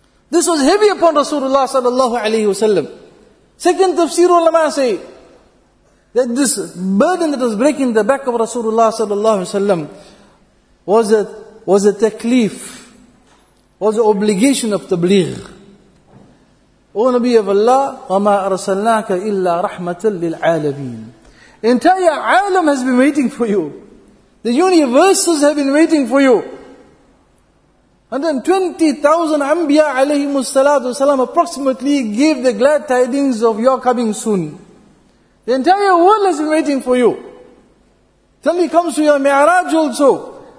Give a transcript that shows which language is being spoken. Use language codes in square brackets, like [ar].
[en] This was heavy upon Rasulullah sallallahu alayhi wasallam. Second tafsir ulama say, that this burden that was breaking the back of Rasulullah sallallahu alayhi wasallam, was a taklif, was an obligation of tabligh. O Nabi of Allah, [ar] وَمَا أَرْسَلْنَاكَ إِلَّا رَحْمَةً لِلْعَالَمِينَ. [en] Entire alam has been waiting for you. The universes have been waiting for you. And then 20,000 Anbiya alayhimu salatu wasalam approximately gave the glad tidings of your coming soon. The entire world has been waiting for you. Till he comes to your mi'raj also.